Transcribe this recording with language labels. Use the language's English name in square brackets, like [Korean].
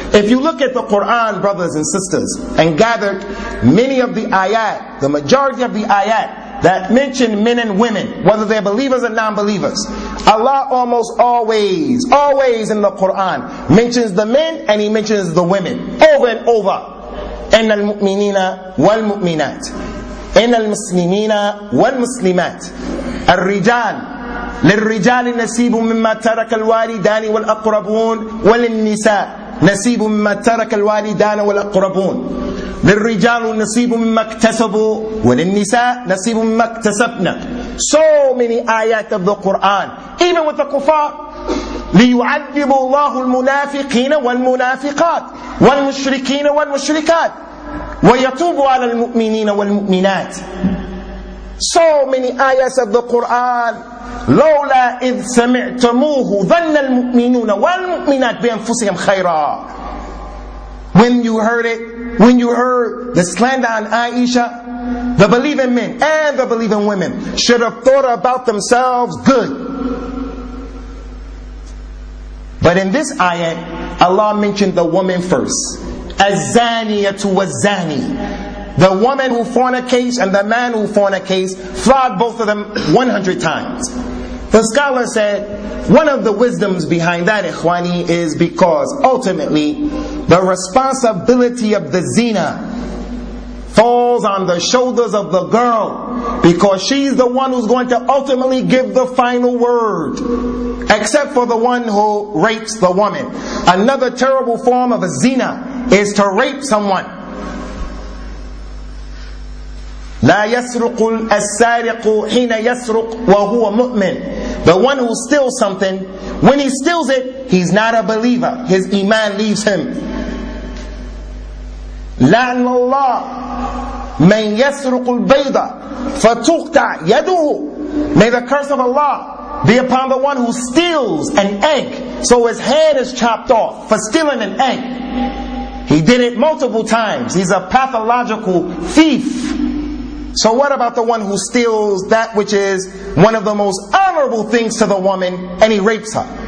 [English] If you look at the Quran, brothers and sisters, and gathered many of the ayat, the majority of the ayat that mention men and women, whether they're believers or non-believers, Allah almost always, always in the Quran, mentions the men and He mentions the women, over and over. [Arabic] إن المؤمنين والمؤمنات إن المسلمين والمسلمات الرجال للرجال نصيب مما ترك الوالدان والأقربون وللنساء نصيب مما ترك الوالدان والأقربون للرجال نصيب مما اكتسبوا وللنساء نصيب مما اكتسبنا. [English] So many ayat of the Quran, even with the kuffar. [Arabic] ليعذب الله المنافقين والمنافقات والمشركين والمشركات ويتوب على المؤمنين والمؤمنات. [English] So many ayahs of the Quran. [Arabic] لولا إذ سمعتموه ظن المؤمنون والمؤمنات بأنفسهم خيرا. [English] When you heard it, when you heard the slander on Aisha, the believing men and the believing women should have thought about themselves good. But in this ayat, Allah mentioned the woman first. [Arabic] Az-zaniyatu waz-zani. [English] The woman who fornicates and the man who fornicates, flogged both of them 100 times. The scholar said, one of the wisdoms behind that, ikhwani, is because ultimately, the responsibility of the zina falls on the shoulders of the girl, because she's the one who's going to ultimately give the final word, except for the one who rapes the woman. Another terrible form of a zina is to rape someone. [Arabic] لا يسرق السارق حين يسرق وهو مؤمن. [English] The one who steals something, when he steals it, he's not a believer. His iman leaves him. [Arabic] لعن الله من يسرق البيضة فتقطع يده. [English] May the curse of Allah be upon the one who steals an egg, so his head is chopped off for stealing an egg. He did it multiple times. He's a pathological thief. So what about the one who steals that which is one of the most honorable things to the woman, and he rapes her?